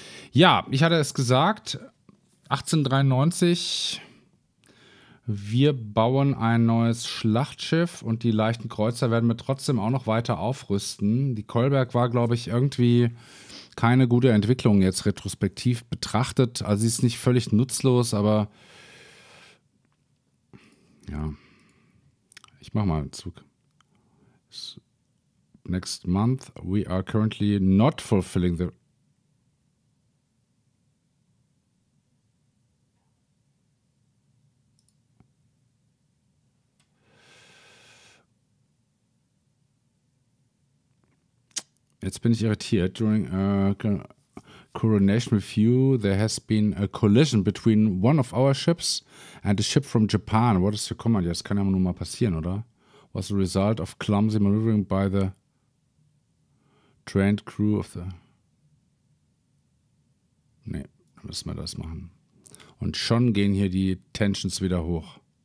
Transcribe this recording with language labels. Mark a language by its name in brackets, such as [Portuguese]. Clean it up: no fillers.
[German] Ja, ich hatte es gesagt, 1893, wir bauen ein neues Schlachtschiff und die leichten Kreuzer werden wir trotzdem auch noch weiter aufrüsten. Die Kolberg war, glaube ich, irgendwie keine gute Entwicklung jetzt retrospektiv betrachtet. Also sie ist nicht völlig nutzlos, aber ja, ich mach mal einen Zug. [English] Next month, we are currently not fulfilling the... [German] Jetzt bin ich irritiert. [English] During a coronation review, there has been a collision between one of our ships and a ship from Japan. What is your command? [German] Ja, das kann ja nun mal passieren, oder? [English] Was the result of clumsy maneuvering by the trained crew of the... [German] Ne, müssen wir das machen. Und schon gehen hier die Tensions wieder hoch.